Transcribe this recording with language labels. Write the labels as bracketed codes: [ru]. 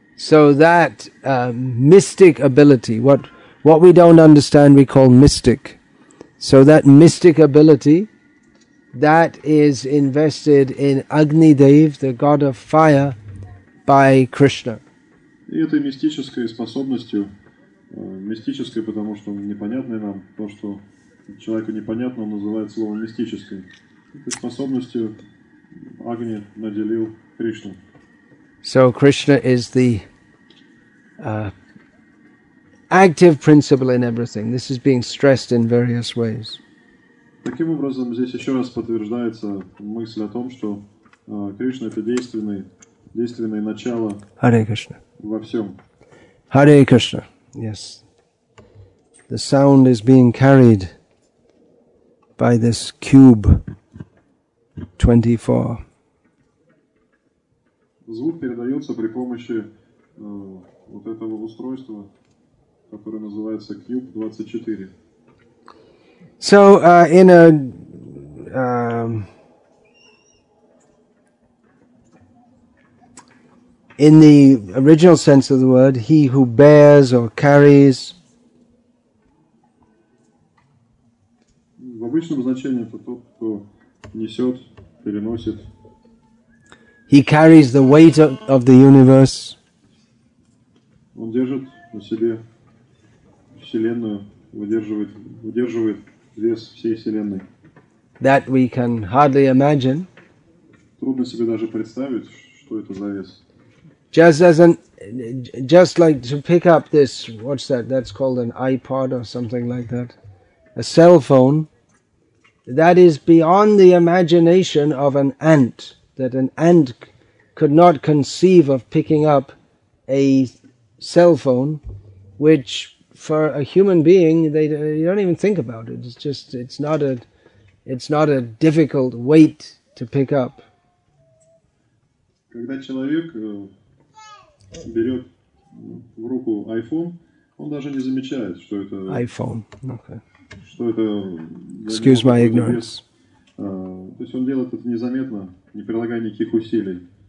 [en] So that mystic ability, what we don't understand, we call mystic. So that mystic ability, that is invested in Agnidev, the god of fire, by Krishna. [ru] И этой мистической способностью, мистической, потому что непонятной нам, то, что человеку непонятно, он называет словом мистической. Этой способностью Агни наделил Кришну. [en] So Krishna is the active principle in everything. This is being stressed in various ways. [ru] Таким образом, здесь еще раз подтверждается мысль о том, что Кришна это действенное начало во всем. [en] Hare Krishna. Yes. The sound is being carried by this cube 24. [ru] Звук передается при помощи вот этого устройства, которое называется Cube 24. [en] So, in a in the original sense of the word, he who bears or carries. [ru] В обычном значении это тот, кто несет, переносит. [en] He carries the weight of the universe. [ru] Он держит на себе вселенную, удерживает вес всей вселенной. [en] That we can hardly imagine. [ru] Трудно себе даже представить, что это за вес. [en] Just like to pick up this, what's that? That's called an iPod or something like that. A cell phone. That is beyond the imagination of an ant. That an ant could not conceive of picking up a cell phone, which for a human being, you don't even think about it. It's just, it's not a difficult weight to pick up. [ru] Когда человек берет в руку iPhone, он даже не замечает, что это... [en] iPhone, okay. [ru] Что это... [en] Excuse my ignorance. [ru] То есть он делает это незаметно, не прилагая никаких усилий.